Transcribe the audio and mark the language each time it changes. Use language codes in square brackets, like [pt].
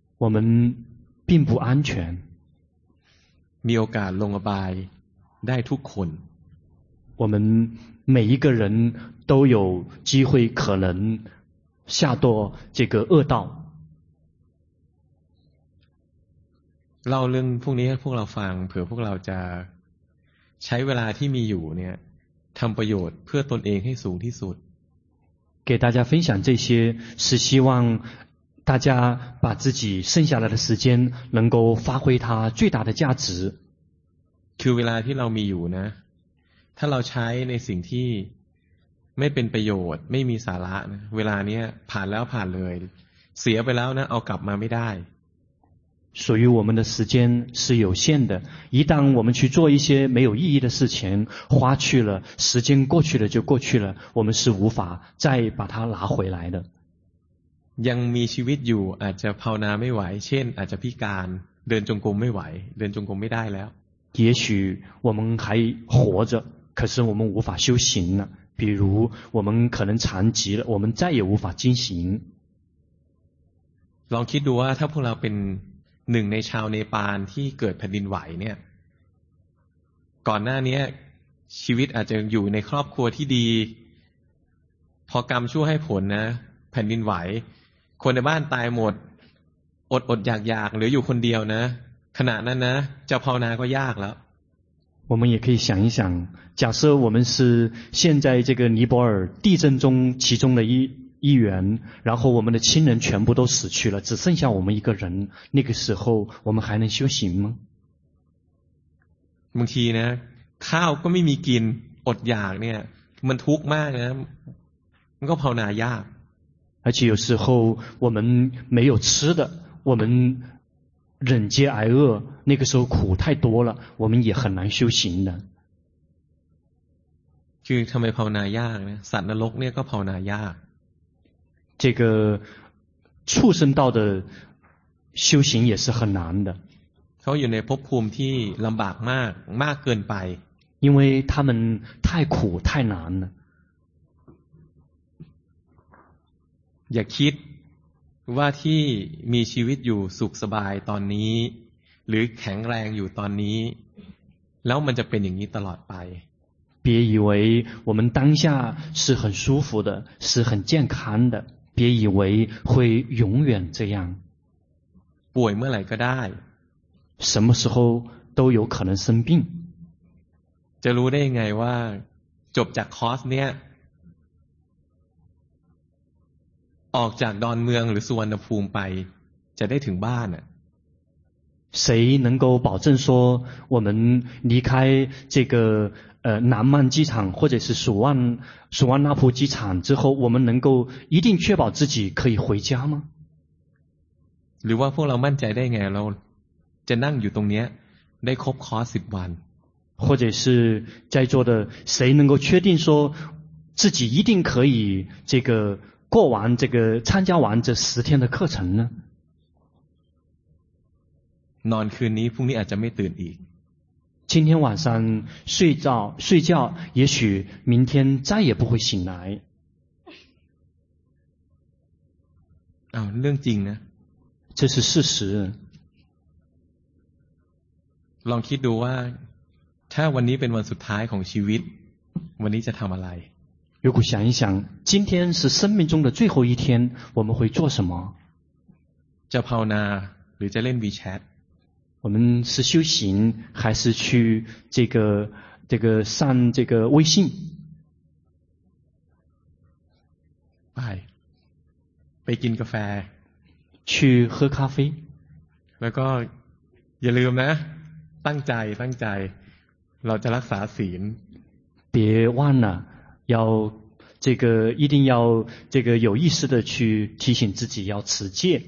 [zh] 我们并不安全。 [th] มีโอกาสลงอบายได้ทุกคน [zh] 我们每一个人都有机会可能下堕这个恶道 [th] เล่าเรื่องพวกนี้ให้พวกเราฟังเผื่อพวกเราจะใช้เวลาที่มีอยู่เนี่ยทำประโยชน์เพื่อตนเองให้สูงที่สุด [zh] 给大家分享这些是希望大家把自己剩下来的时间能够发挥它最大的价值 [th] คือเวลาที่เรามีอยู่นะถ้าเราใช้ในสิ่งที่ไม่เป็นประโยชน์ไม่มีสาระนะเวลานี้ผ่านแล้วผ่านเลยเสียไปแล้วนะเอากลับมาไม่ได้ [zh] 属于我们的时间是有限的一旦我们去做一些没有意义的事情花去了时间过去了就过去了我们是无法再把它拿回来的 [th] ยังมีชีวิตอยู่อาจจะภาวนาไม่ไหวเช่นอาจจะพิการเดินจงกรมไม่ไหวเดินจงกรมไม่ได้แล้ว [zh] 也许我们还活着可是我们无法修行了比如我们可能残疾了我们再也无法进行 [th] ลองคิดดูว่าถ้าพวกเราเป็นหนึ่งในชาวเนปาลที่เกิดแผ่นดินไหวเนี่ยก่อนหน้านี้ชีวิตอาจจะอยู่ในครอบครัวที่ดีพอกรรมชั่วให้ผลนะแผ่นดินไหวคนในบ้านตายหมดอดอยากๆหรืออยู่คนเดียวนะขณะนั้นนะจะภาวนาก็ยากแล้ว [zh] 我们也可以想一想假设我们是现在这个尼泊尔地震中其中的一员然后我们的亲人全部都死去了只剩下我们一个人那个时候我们还能修行吗 [th] บางทีนะข้าวก็ไม่มีกินอดอยากเนี่ยมันทุกข์มากนะมันก็ภาวนายาก [zh] 而且有时候我们没有吃的我们忍饥挨饿那个时候苦太多了我们也很难修行的 [th] คือทำไมภาวนายากนะสัตว์นรกเนี่ยก็ภาวนายาก [zh] 这个畜生道的修行也是很难的 [th] เขาอยู่ในภพภูมิที่ลำบากมากมากเกินไป [zh] 因为他们太苦太难了อ [th] ย่าคิดว่าที่มีชีวิตอยู่สุขสบายตอนนี้หรือแข็งแรงอยู่ตอนนี้แล้วมันจะเป็นอย่างนี้ตลอดไป [zh] 别以为我们当下是很舒服的，是很健康的，别以为会永远这样。 [th] ป่วยเมื่อไหร่ก็ได้ [zh] 什么时候都有可能生病。 [th] จะรู้ได้ไงว่าจบจากคอร์สเนี้ยออกจากดอนเมืองหรือสุวรรณภูมิไปจะได้ถึงบ้านอ่ะ [zh] 谁能够保证说我们离开这个南曼机场或者是蜀万那普机场之后，我们能够一定确保自己可以回家吗？ [th] หรือว่าพวกเรามั่นใจได้ไงเราจะนั่งอยู่ตรงนี้ได้ครบคอร์ส10วัน [zh] 或者是在座的谁能够确定说自己一定可以这个过完这个参加完这十天的课程呢？ [th] นอนคืนนี้พรุ่งนี้อาจจะไม่ตื่นอีก [zh] 今天晚上睡觉也许明天再也不会醒来 [th] เรื่องจริงนะ [zh] 这是事实 [th] ลองคิดดูว่าถ้าวันนี้เป็นวันสุดท้ายของชีวิตวันนี้จะทำอะไร [zh] 如果想一想今天是生命中的最后一天我们会做什么 [th] จะภาวนาหรือจะเล่น WeChat [zh] 我们是修行还是去这个上这个微信拜 [th] ไปกินกาแฟ [zh] 去喝咖啡 [th] แล้วก็อย่าลืมนะตั้งใจเราจะรักษาศีล [zh] 别忘了要这个一定要这个有意识的去提醒自己要持戒